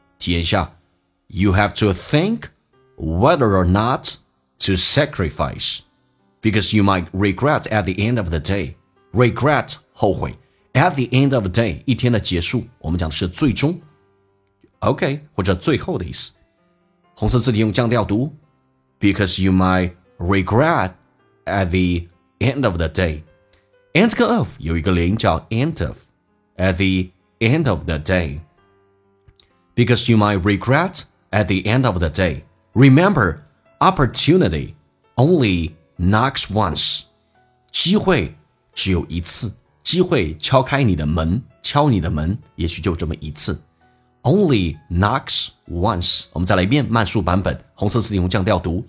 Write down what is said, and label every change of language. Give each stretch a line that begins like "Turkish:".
Chinese: 体验一下
English: You have to think whether or not to sacrifice, because you might regret at the end of the day.
Chinese: Regret 后悔，
English: at the end of the day
Chinese: 一天的结束，我们讲的是最终， OK 或者最后的意思。红色字体用降调读
English: Because you might regret at the end of the day. End of
Chinese: 有一个连音叫
English: end of. At the end of the day. Because you might regret at the end of the day. Remember, opportunity only knocks once.
Chinese: 机会只有一次，机会敲开你的门，敲你的门也许就这么一次。
English: Only knocks once.
Chinese: 我们再来一遍慢速版本，红色字体用降调读。